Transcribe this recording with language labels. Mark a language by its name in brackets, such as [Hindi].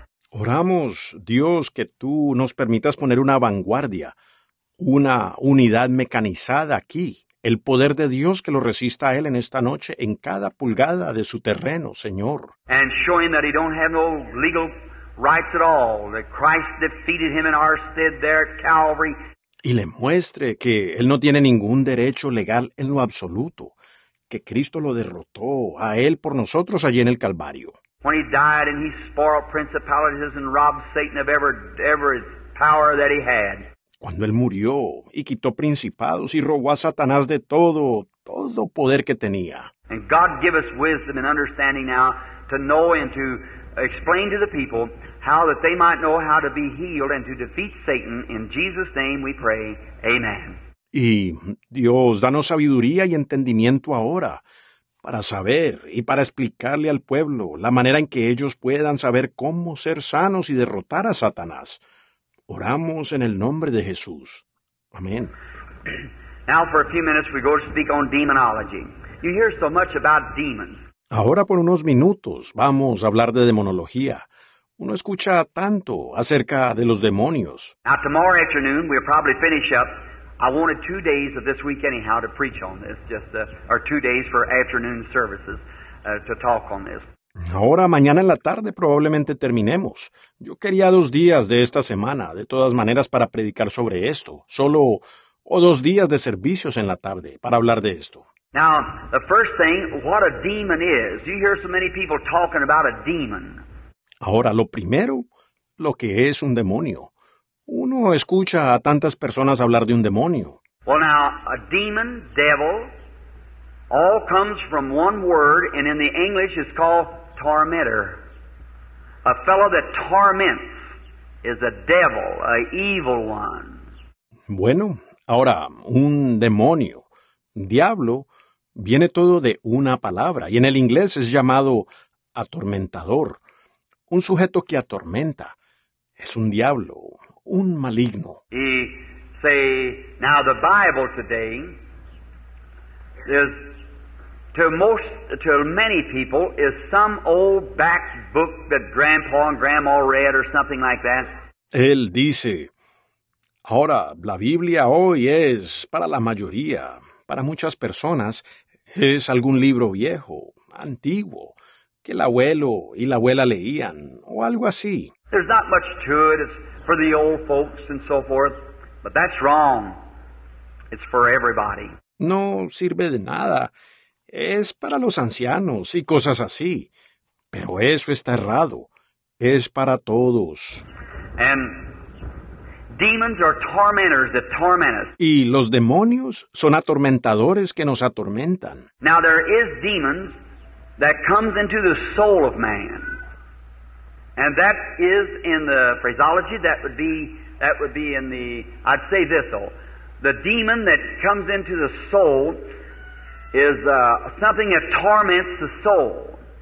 [Spanish] Oramos, Dios, que tú nos permitas poner una vanguardia, una unidad mecanizada aquí. El poder de Dios que lo resista a él en esta noche, en cada pulgada de su terreno, Señor. [English] And show him that he don't have no legal writes it all, that Christ defeated him in our stead there at Calvary. [Spanish] Y le muestre que él no tiene ningún derecho legal en lo absoluto, que Cristo lo derrotó a él por nosotros allí en el Calvario. [English] When he died and he spoiled principalities and robbed Satan of ever his power that he had. [Spanish] Cuando él murió y quitó principados y robó a Satanás de todo poder que tenía. [English] And God give us wisdom and understanding now to know and to explain to the people how that they might know how to be healed and to defeat Satan. In Jesus' name we pray. Amen. [Spanish] Y Dios, danos sabiduría y entendimiento ahora para saber y para explicarle al pueblo la manera en que ellos puedan saber cómo ser sanos y derrotar a Satanás. Oramos en el nombre de Jesús. Amén. [English] Now for a few minutes we go to speak on demonology. You hear so much about demons. [Spanish] Ahora por unos minutos vamos a hablar de demonología. Uno escucha tanto acerca de los demonios. [English] Now tomorrow afternoon we'll probably finish up. I wanted 2 days of this week anyhow to preach on this, or 2 days for afternoon services to talk on this. [Spanish] Ahora, mañana en la tarde probablemente terminemos. Yo quería 2 días de esta semana, de todas maneras, para predicar sobre esto. Solo, o 2 días de servicios en la tarde para hablar de esto. [English] Now, the first thing, what a demon is. You hear so many people talking about a demon. [Spanish] Ahora, lo primero, lo que es un demonio. Uno escucha a tantas personas hablar de un demonio. [English] Well, now, a demon, devil, all comes from one word, and in the English it's called tormentor. A fellow that torments is a devil, a evil one. [Spanish] Bueno, ahora, un demonio, diablo, viene todo de una palabra, y en el inglés es llamado atormentador. Un sujeto que atormenta es un diablo. Un maligno. [English] He say, now the Bible today is to many people is some old back book that grandpa and grandma read or something like that. [Spanish] Él dice, ahora la Biblia hoy es para la mayoría, para muchas personas, es algún libro viejo, antiguo, que el abuelo y la abuela leían, o algo así. [English] There's not much to it. It's for the old folks and so forth, but that's wrong. It's for everybody. [Spanish] No sirve de nada. Es para los ancianos y cosas así. Pero eso está errado. Es para todos. [English] And demons are tormentors that torment us. [Spanish] Y los demonios son atormentadores que nos atormentan. [English] Now there is demons that comes into the soul of man. And that is in the phraseology, that would be in the, I'd say this though, the demon that comes into the soul is something that torments the soul.